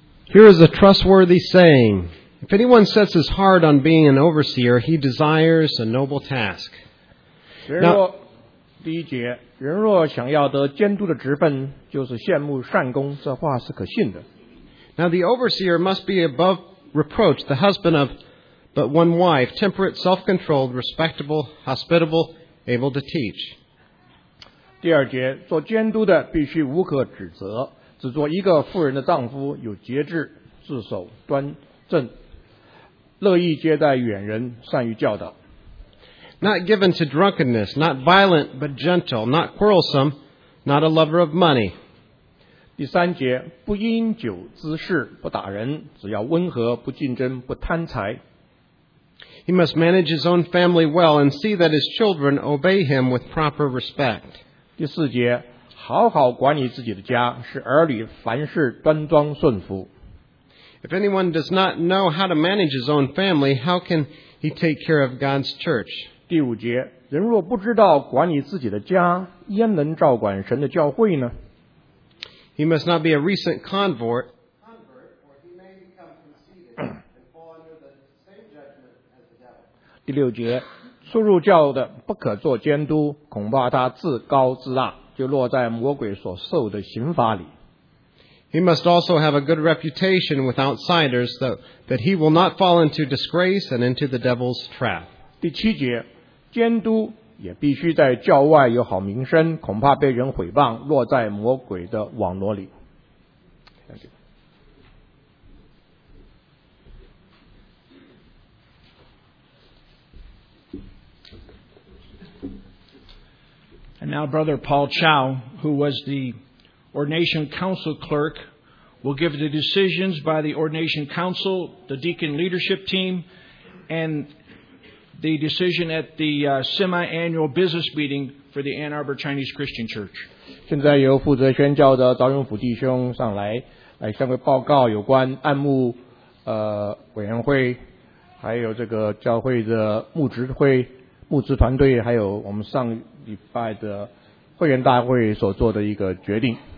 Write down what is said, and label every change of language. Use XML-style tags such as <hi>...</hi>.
<en>Here is a trustworthy saying. If anyone sets his heart on being an overseer, he desires a noble task.</en> <zh>第一节，人若想要得监督的职分，就是羡慕善工，这话是可信的。</zh> <en>Now the overseer must be above reproach, the husband of but one wife, temperate, self-controlled, respectable, hospitable, able to teach.</en> <zh>第二节，做监督的必须无可指责，只做一个妇人的丈夫，有节制，自守端正，乐意接待远人，善于教导。</zh> <en>Not given to drunkenness, not violent, but gentle, not quarrelsome, not a lover of money.</en> <zh>第三节，不因酒滋事，不打人，只要温和，不竞争，不贪财。</zh> <en>He must manage his own family well and see that his children obey him with proper respect.</en> <zh>第四节，好好管理自己的家，使儿女凡事端庄顺服。</zh> <en>If anyone does not know how to manage his own family, how can he take care of God's church?</en> <zh>第五节，人若不知道管理自己的家，焉能照管神的教会呢？</zh> <en>He must not be a recent convert, or he may become conceited and fall under the same judgment as the devil.</en> <zh>第六节，初入教的不可做监督，恐怕他自高自大，就落在魔鬼所受的刑罚里。</zh> <en>He must also have a good reputation with outsiders, that he will not fall into disgrace and into the devil's trap.</en> <zh>第七节，监督也必须在教外有好名声，恐怕被人毁谤，落在魔鬼的网络里。</zh> <en>And now Brother Paul Chow, who was the ordination council clerk, will give the decisions by the ordination council, the deacon leadership team, and the decision at the semi-annual business meeting for the Ann Arbor Chinese Christian Church.</en> <zh>现在由负责宣教的赵永福弟兄上来，来向会报告有关案牧委员会，还有这个教会的牧职会、牧职团队，还有我们上礼拜的会员大会所做的一个决定。</zh>